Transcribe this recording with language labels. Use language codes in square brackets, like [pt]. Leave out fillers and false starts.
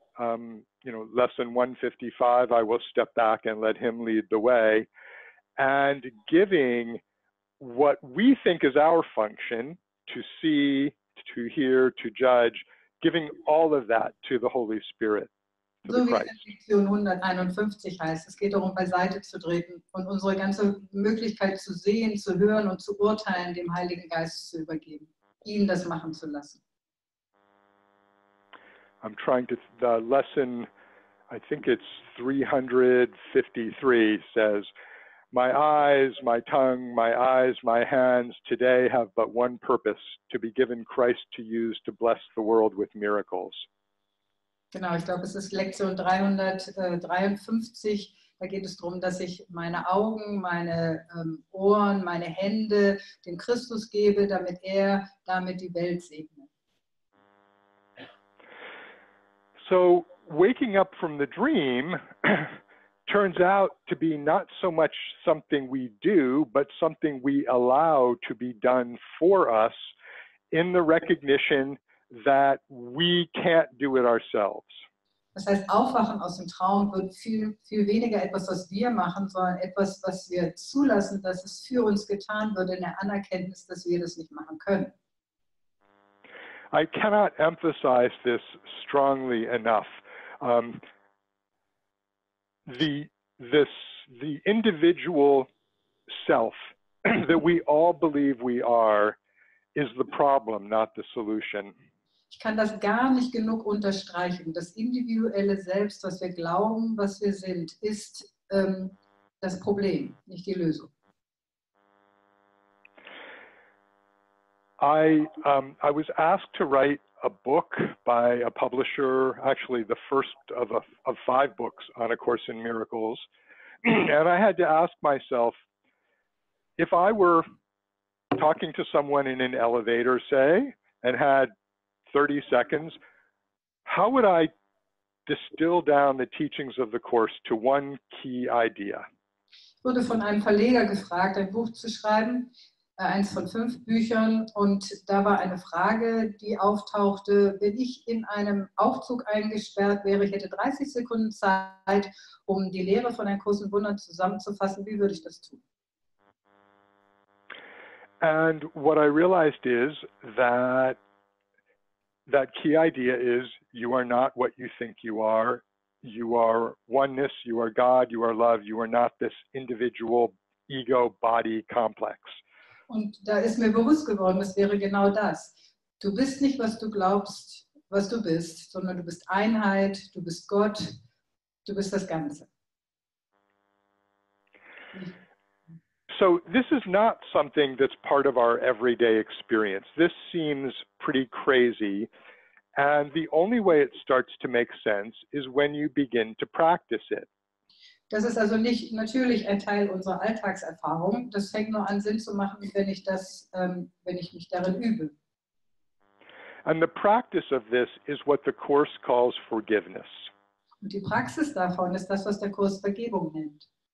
[en] Lesson 155, I will step back and let him lead the way, and giving what we think is our function to see, to hear, to judge, giving all of that to the Holy Spirit. [de] So wie in Lektion 151 heißt, es geht darum, beiseite zu treten und unsere ganze Möglichkeit zu sehen, zu hören und zu urteilen, dem Heiligen Geist zu übergeben, ihn das machen zu lassen. [en] I'm trying to, the lesson, I think it's 353 says, my eyes, my tongue, my eyes, my hands today have but one purpose, to be given Christ to use to bless the world with miracles. [de] Genau, ich glaube, es ist Lektion 353. Da geht es darum, dass ich meine Augen, meine Ohren, meine Hände dem Christus gebe, damit er damit die Welt segne. [en] So, waking up from the dream turns out to be not so much something we do, but something we allow to be done for us in the recognition that we can't do it ourselves. [de] Das heißt, Aufwachen aus dem Traum wird viel, viel weniger etwas, was wir machen, sondern etwas, was wir zulassen, dass es für uns getan wird, in der Anerkenntnis, dass wir das nicht machen können. [en] I cannot emphasize this strongly enough. The individual self that we all believe we are is the problem, not the solution. [de] Ich kann das gar nicht genug unterstreichen. Das individuelle Selbst, was wir glauben, was wir sind, ist das Problem, nicht die Lösung. [en] I was asked to write a book by a publisher, actually the first of five books on A Course in Miracles, And I had to ask myself, if I were talking to someone in an elevator, say, and had 30 seconds, how would I distill down the teachings of the course to one key idea? [de] Ich wurde von einem Verleger gefragt, ein Buch zu schreiben, eins von 5 Büchern, und da war eine Frage, die auftauchte: Wenn ich in einem Aufzug eingesperrt wäre, ich hätte 30 Sekunden Zeit, um die Lehre von einem Kurs in Wundern zusammenzufassen, wie würde ich das tun? [en] And what I realized is that that key idea is, you are not what you think you are. You are oneness, you are God, you are love, you are not this individual ego body complex. [de] Und da ist mir bewusst geworden, es wäre genau das. Du bist nicht, was du glaubst, was du bist, sondern du bist Einheit, du bist Gott, du bist das Ganze. [en] So this is not something that's part of our everyday experience. This seems pretty crazy. And the only way it starts to make sense is when you begin to practice it. [de] Das ist also nicht natürlich ein Teil unserer Alltagserfahrung. Das fängt nur an, Sinn zu machen, wenn ich mich darin übe. [en] And the practice of this is what the course calls forgiveness. [de] Und die Praxis davon ist das, was der Kurs Vergebung nennt.